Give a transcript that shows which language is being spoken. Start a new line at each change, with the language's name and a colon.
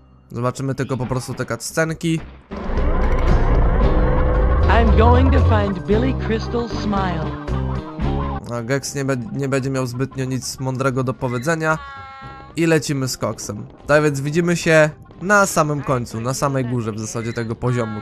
Polish: Zobaczymy tylko po prostu te cutscenki.
English: I'm going to find Billy Crystal's smile.
Polish: A Gex nie będzie miał zbytnio nic mądrego do powiedzenia. I lecimy z Koksem. Tak więc widzimy się na samym końcu, na samej górze w zasadzie tego poziomu.